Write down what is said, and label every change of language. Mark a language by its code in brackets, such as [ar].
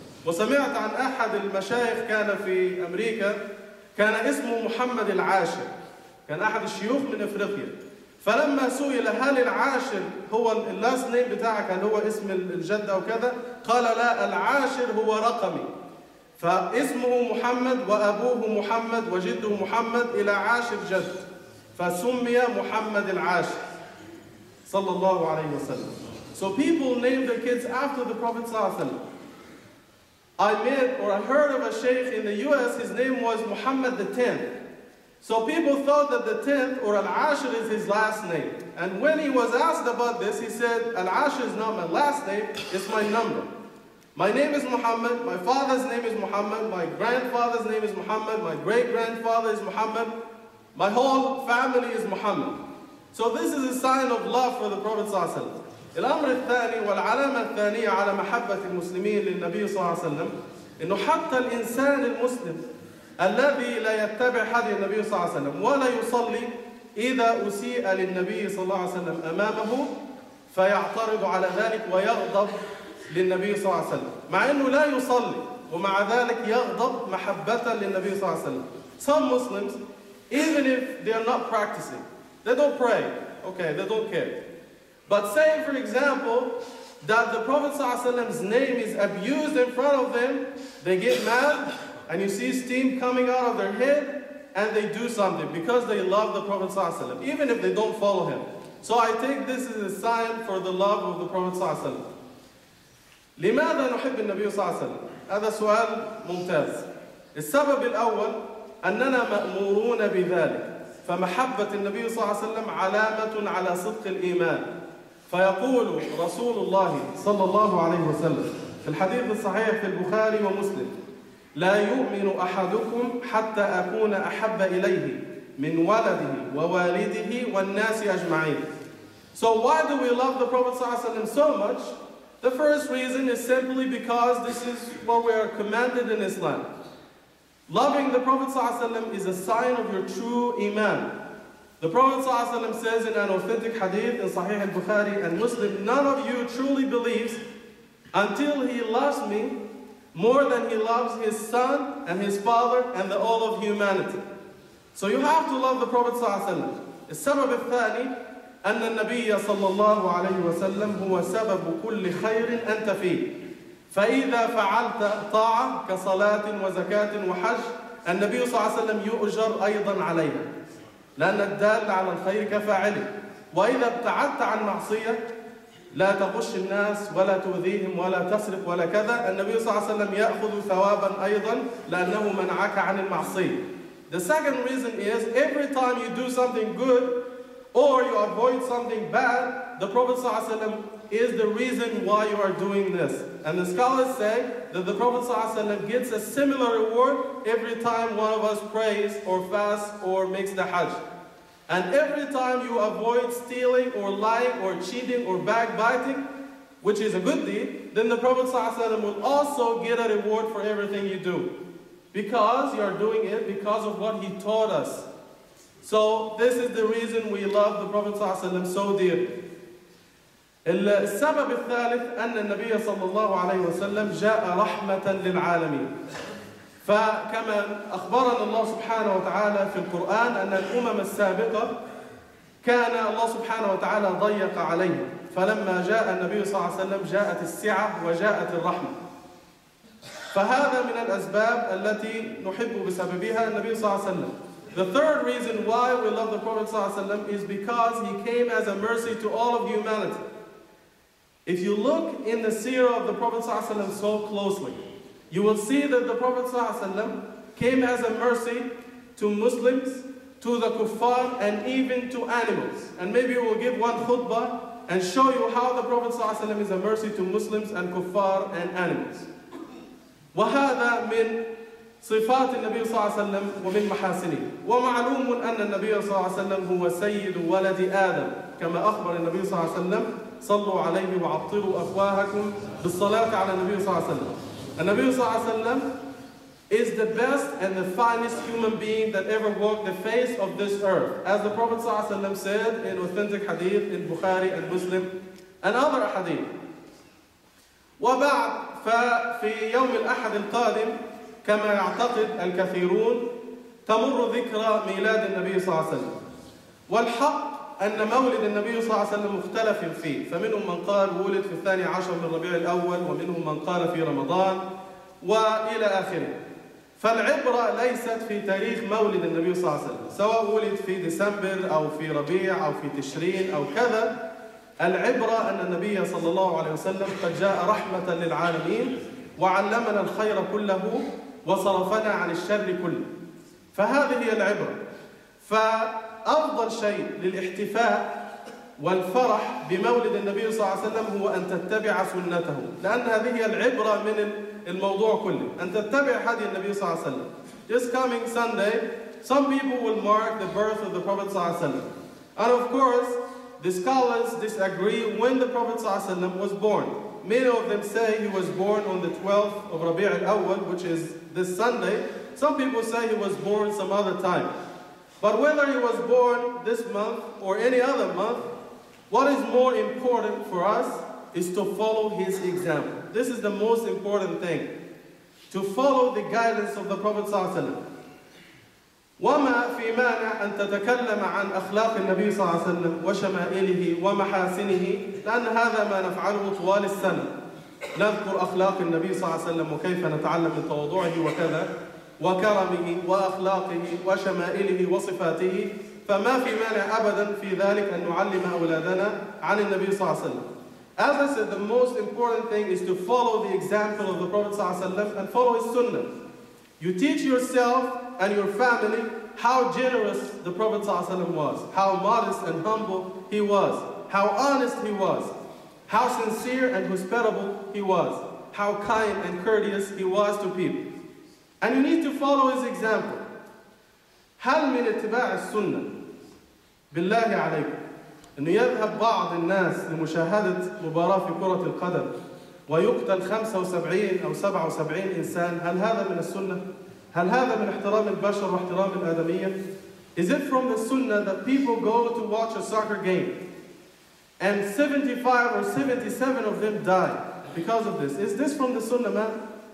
[ar] وسمعت عن أحد المشايخ كان في أمريكا كان اسمه محمد العاشر كان أحد الشيوخ من أفريقيا فلما سئل هل العاشر هو [en] اللاست نيم [ar] بتاعك هل هو اسم الجد أو كذا قال لا العاشر هو رقمي فاسمه محمد وأبوه محمد وجده محمد إلى عاشر جد فسمي محمد العاشر صلى الله عليه وسلم. [en] So people named their kids after the Prophet صلى الله عليه وسلم. I heard of a sheikh in the US, his name was Muhammad the 10th. So people thought that the 10th or Al-Ashir is his last name. And when he was asked about this, he said, Al-Ashir is not my last name, it's my number. My name is Muhammad, my father's name is Muhammad, my grandfather's name is Muhammad, my great-grandfather is Muhammad, my whole family is Muhammad. So this is a sign of love for the Prophet Sallallahu Alaihi Wasallam. [ar] الأمر الثاني والعلامة الثانية على محبة المسلمين للنبي صلى الله عليه وسلم إنه حتى الإنسان المسلم الذي لا يتبع هدي النبي صلى الله عليه وسلم ولا يصلي إذا أسيء للنبي صلى الله عليه وسلم أمامه فيعترض على ذلك ويغضب للنبي صلى الله عليه وسلم مع إنه لا يصلي ومع ذلك يغضب محبة للنبي صلى الله عليه وسلم. [en] Some Muslims, even if they are not practicing, they don't pray. Okay, they don't care. But say, for example, that the Prophet ﷺ's name is abused in front of them, they get mad, and you see steam coming out of their head, and they do something because they love the Prophet ﷺ, even if they don't follow him. So I take this as a sign for the love of the Prophet ﷺ. [ar] لماذا نحب النبي صلى الله عليه وسلم؟ هذا سؤال ممتاز. السبب الأول أننا مأمورون بذلك. فمحبة النبي صلى الله عليه وسلم علامة على صدق الإيمان. فيقول رسول الله صلى الله عليه وسلم في الحديث الصحيح في البخاري ومسلم: لا يؤمن أحدكم حتى أكون أحب إليه من ولده ووالده والناس أجمعين. [en] So why do we love the Prophet صلى الله عليه وسلم so much? The first reason is simply because this is what we are commanded in Islam. Loving the Prophet صلى الله عليه وسلم is a sign of your true iman. The Prophet صلى الله عليه وسلم says in an authentic hadith in Sahih al-Bukhari and Muslim, none of you truly believes until he loves me more than he loves his son and his father and the all of humanity. So you have to love the Prophet صلى الله عليه وسلم. [ar] السبب الثاني أن النبي صلى الله عليه وسلم هو سبب كل خير أنت فيه. فإذا فعلت طاعة كصلاة وزكاة وحج النبي صلى الله عليه وسلم يؤجر أيضا عليها لأن الدال على الخير كفاعله. وإذا ابتعدت عن معصية لا تغش الناس ولا تؤذيهم ولا تسرق ولا كذا النبي صلى الله عليه وسلم يأخذ ثوابا أيضا لأنه منعك عن المعصية. [en] The second reason is every time you do something good or you avoid something bad, the Prophet صلى الله عليه وسلم is the reason why you are doing this. And the scholars say that the Prophet صلى الله عليه وسلم gets a similar reward every time one of us prays or fasts or makes the Hajj. And every time you avoid stealing or lying or cheating or backbiting, which is a good deed, then the Prophet صلى الله عليه وسلم will also get a reward for everything you do. Because you are doing it because of what he taught us. So this is the reason we love the Prophet صلى الله عليه وسلم so dear. [ar] السبب الثالث أن النبي صلى الله عليه وسلم جاء رحمة للعالمين. فكما أخبرنا الله سبحانه وتعالى في القرآن أن الأمم السابقة كان الله سبحانه وتعالى ضيق عليهم. فلما جاء النبي صلى الله عليه وسلم جاءت السعة وجاءت الرحمة. فهذا من الأسباب التي نحب بسببها النبي صلى الله عليه وسلم. [en] The third reason why we love the Prophet صلى الله عليه وسلم is because he came as a mercy to all of humanity. If you look in the seerah of the Prophet صلى الله عليه وسلم so closely, you will see that the Prophet صلى الله عليه وسلم came as a mercy to Muslims, to the kuffar, and even to animals. And maybe we will give one khutbah and show you how the Prophet صلى الله عليه وسلم is a mercy to Muslims and kuffar and animals. [ar] وهذا من صفات النبي صلى الله عليه وسلم ومن محاسنه. ومعلوم أن النبي صلى الله عليه وسلم هو سيد ولد آدم كما أخبر النبي صلى الله عليه وسلم: صلوا عليه وعطروا أفواهكم بالصلاة على النبي صلى الله عليه وسلم. [en] النبي صلى الله عليه وسلم is the best and the finest human being that ever walked the face of this earth. As the Prophet صلى الله عليه وسلم said in authentic hadith in Bukhari and Muslim and other hadith. [ar] وبعد ففي يوم الأحد القادم كما يعتقد الكثيرون تمر ذكرى ميلاد النبي صلى الله عليه وسلم. والحق أن مولد النبي صلى الله عليه وسلم مختلف فيه، فمنهم من قال ولد في 12 من ربيع الأول، ومنهم من قال في رمضان وإلى آخره. فالعبرة ليست في تاريخ مولد النبي صلى الله عليه وسلم، سواء ولد في ديسمبر أو في ربيع أو في تشرين أو كذا. العبرة أن النبي صلى الله عليه وسلم قد جاء رحمة للعالمين وعلمنا الخير كله وصرفنا عن الشر كله. فهذه هي العبرة. فأفضل شيء للاحتفاء والفرح بمولد النبي صلى الله عليه وسلم هو أن تتبع سنته، لأن هذه هي العبرة من الموضوع كله، أن تتبع هدي النبي صلى الله عليه وسلم. [en] This coming Sunday, some people will mark the birth of the Prophet صلى الله عليه وسلم. And of course, the scholars disagree when the Prophet صلى الله عليه وسلم was born. Many of them say he was born on the 12th of Rabi' al-Awwal, which is this Sunday. Some people say he was born some other time. But whether he was born this month or any other month, what is more important for us is to follow his example. This is the most important thing, to follow the guidance of the Prophet صلى الله عليه وسلم. [ar] وما في مانع أن تتكلم عن أخلاق النبي صلى الله عليه وسلم وشمائله ومحاسنه، لأن هذا ما نفعله طوال السنة، نذكر أخلاق النبي صلى الله عليه وسلم وكيف نتعلم من تواضعه وكذا. وكرمه وأخلاقه وشمائله وصفاته، فما في مانع أبدا في ذلك أن نعلم أولادنا عن النبي صلى الله عليه وسلم. [en] As I said, the most important thing is to follow the example of the Prophet ﷺ and follow his sunnah. You teach yourself and your family how generous the Prophet ﷺ was, how modest and humble he was, how honest he was, how sincere and hospitable he was, how kind and courteous he was to people. And you need to follow his example. [ar] هل من اتباع السنة بالله عليكم أن يذهب بعض الناس لمشاهدة مباراة في كرة القدم ويقتل 75 أو 77 إنسان؟ هل هذا من السنة؟ هل هذا من احترام البشر واحترام الآدمية؟ [en] Is it from the sunnah that people go to watch a soccer game and 75 or 77 of them die because of this? Is this from the sunnah, man?